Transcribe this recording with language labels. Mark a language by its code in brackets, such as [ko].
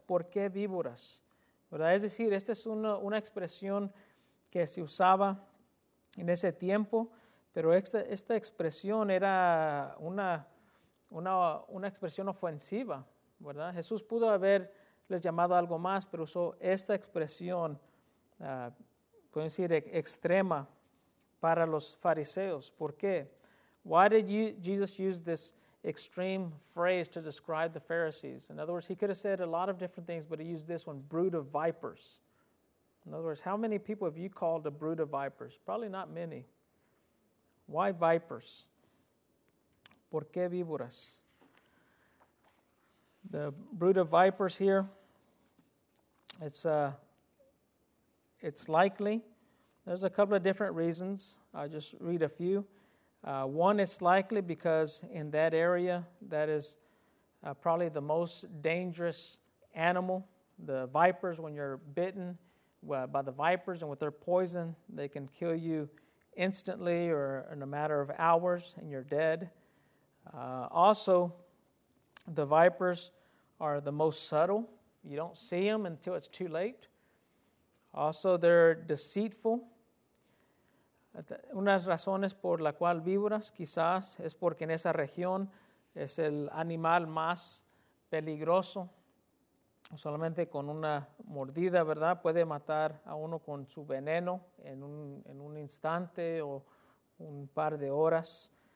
[es] ¿Por qué víboras? ¿Verdad? Es decir, esta es una expresión que se usaba en ese tiempo, pero esta expresión era una expresión ofensiva, ¿verdad? Jesús pudo haberles llamado algo más, pero usó esta expresión, pueden decir, extrema para los fariseos. ¿Por qué? [en] Why did Jesus use this extreme phrase to describe the Pharisees? In other words, he could have said a lot of different things, but he used this one, brood of vipers. In other words, how many people have you called a brood of vipers? Probably not many. Why vipers? [es] ¿Por qué víboras? [en] The brood of vipers here, it's likely, there's a couple of different reasons. I'll just read a few. One is likely because in that area, that is probably the most dangerous animal. The vipers, when you're bitten by the vipers and with their poison, they can kill you instantly or in a matter of hours and you're dead. Also, the vipers are the most subtle. You don't see them until it's too late. Also, they're deceitful. [es] Unas razones por la cual víboras, quizás, es porque en esa región es el animal más peligroso. Solamente con una mordida, ¿verdad? Puede matar a uno con su veneno en un instante o un par de horas.